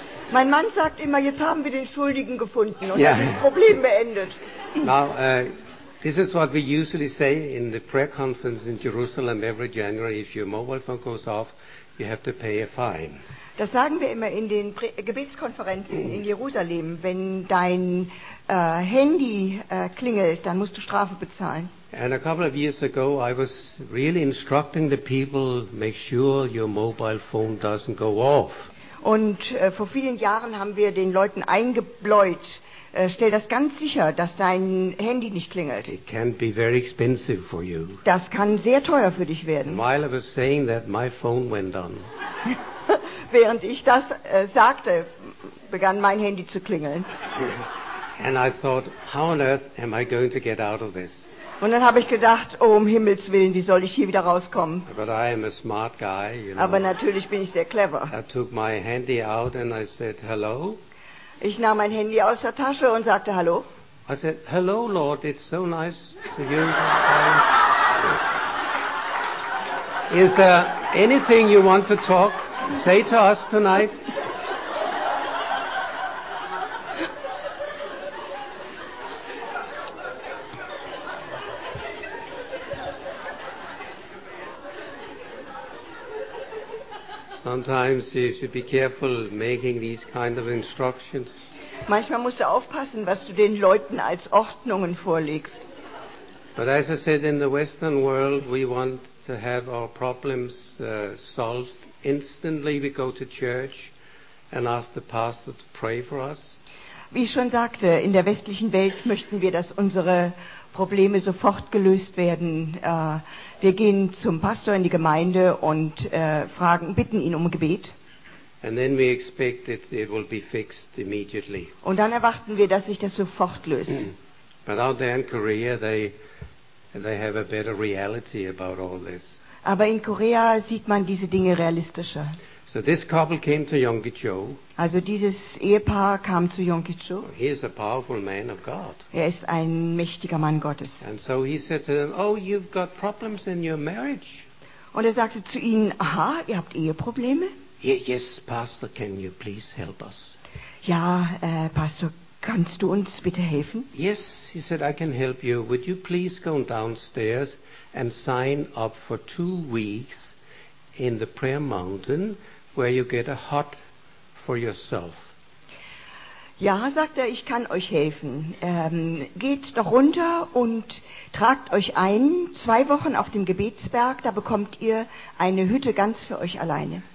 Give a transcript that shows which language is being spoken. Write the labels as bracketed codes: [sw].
[de] Mein Mann sagt immer, jetzt haben wir den Schuldigen gefunden und yeah, das Problem beendet. [en] Now, this is what we usually say in the prayer conference in Jerusalem every January. If your mobile phone goes off, you have to pay a fine. [de] Das sagen wir immer in den Gebetskonferenzen in Jerusalem. Wenn dein Handy klingelt, dann musst du Strafe bezahlen. [en] And a couple of years ago, I was really instructing the people, make sure your mobile phone doesn't go off. [de] Und vor vielen Jahren haben wir den Leuten eingebläut, stell das ganz sicher, dass dein Handy nicht klingelt. [en] It can be very expensive for you. [de] Das kann sehr teuer für dich werden. [en] While I was saying that, my phone went on. [de] Während ich das sagte, begann mein Handy zu klingeln. [en] And I thought, how on earth am I going to get out of this? [de] Und dann habe ich gedacht, oh, um Himmels Willen, wie soll ich hier wieder rauskommen? [en] But I am a smart guy, you know. [de] Aber natürlich bin ich sehr clever. [en] I took my handy out and I said, hello. [de] Ich nahm mein Handy aus der Tasche und sagte, hallo. [en] I said, hello, Lord, it's so nice to you. Is there anything you want to talk, say to us tonight? Sometimes you should be careful making these kind of instructions. [de] Manchmal musst du aufpassen, was du den Leuten als Ordnungen vorlegst. [en] But as I said, in the Western world, we want to have our problems solved instantly. We go to church and ask the pastor to pray for us. [de] Wie ich schon sagte, in der westlichen Welt möchten wir, dass unsere Probleme sofort gelöst werden. Wir gehen zum Pastor in die Gemeinde und bitten ihn um Gebet. [en] And then we expect that it will be fixed immediately. [de] Und dann erwarten wir, dass sich das sofort löst. [en] But out there in Korea, they have a better reality about all this. [de] Aber in Korea sieht man diese Dinge realistischer. [en] So this couple came to Yonggi-cho. [de] Also dieses Ehepaar kam zu Yonggi-cho. [en] He is a powerful man of God. [de] Er ist ein mächtiger Mann Gottes. [en] And so he said to them, oh, you've got problems in your marriage. [de] Und er sagte zu ihnen, aha, ihr habt Eheprobleme? [en] Yes, Pastor, can you please help us? [de] Ja, Pastor, kannst du uns bitte helfen? [en] Yes, he said, I can help you. Would you please go downstairs and sign up for 2 weeks in the prayer mountain where you get a hut for yourself. [de] Ja, sagt er, ich kann euch helfen. Geht doch runter und tragt euch ein, 2 Wochen auf dem Gebetsberg, da bekommt ihr eine Hütte ganz für euch alleine.